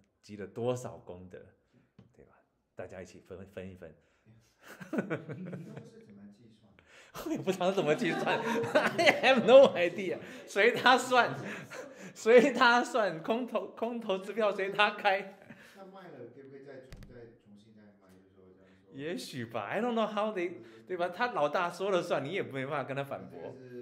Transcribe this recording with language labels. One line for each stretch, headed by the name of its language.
Chinese: 积了多少功德，对吧？大家一起分一分。你都是怎么计算？我也不知道怎么计算，
English: I have no idea，
Chinese: 随他算，随他算，空头支票随他开。那卖了可不可以再重新再卖？就说这样。也许吧
English: ，I don't know how they，
Chinese: 对吧？他老大说了算，你也没办法跟他反驳。